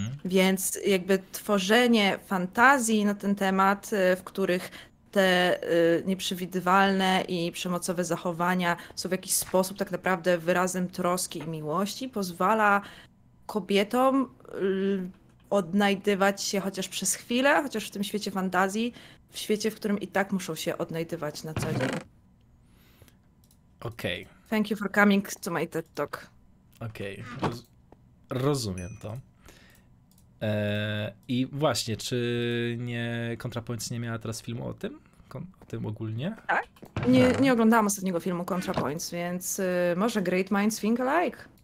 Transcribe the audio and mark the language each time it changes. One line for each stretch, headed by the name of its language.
Polish: Więc jakby tworzenie fantazji na ten temat, w których te nieprzewidywalne i przemocowe zachowania są w jakiś sposób tak naprawdę wyrazem troski i miłości, pozwala kobietom odnajdywać się chociaż przez chwilę, chociaż w tym świecie fantazji, w świecie, w którym i tak muszą się odnajdywać na co dzień. Okej.
English: Okay. Thank you for coming to my TED Talk.
Polish: Okej. Okay. Rozumiem to. I właśnie, czy nie ContraPoints nie miała teraz filmu o tym? O tym ogólnie? Tak. Nie oglądałam ostatniego filmu ContraPoints, więc może
English: Great Minds Think Alike.